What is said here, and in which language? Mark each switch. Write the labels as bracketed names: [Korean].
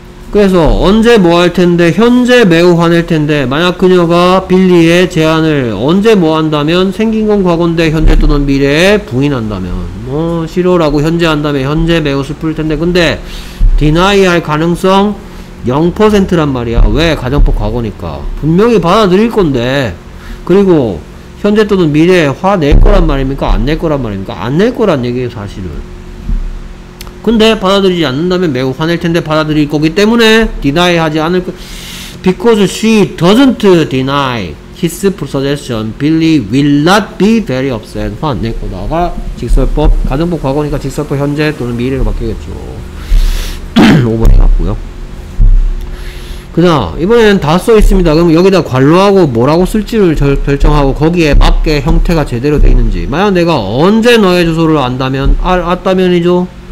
[Korean] 그래서 언제 뭐 할 텐데 현재 매우 화낼 텐데 만약 그녀가 빌리의 제안을 언제 뭐 한다면 생긴 건 과거인데 현재 또는 미래에 부인한다면 뭐 싫어라고 현재 한다면 현재 매우 슬플 텐데 근데 deny 할 가능성 0%란 말이야. 왜? 가정법 과거니까. 분명히 받아들일 건데 그리고 현재 또는 미래에 화낼 거란 말입니까? 안 낼 거란 말입니까? 안 낼 거란 얘기예요 사실은. 근데 받아들이지 않는다면 매우 화낼 텐데 받아들일 거기 때문에 deny 하지 않을 거. [English] Because she doesn't deny his suggestion, Billy will not be very upset. [Korean] 화낼 거다가 직설법, 가정법 과거니까 직설법 현재 또는 미래로 바뀌겠죠. 5번이 맞고요. 그 다음 이번에는 다 써 있습니다. 그럼 여기다 관로하고 뭐라고 쓸지를 결정하고 거기에 맞게 형태가 제대로 돼 있는지. 만약 내가 언제 너의 주소를 안다면 왔다면이죠.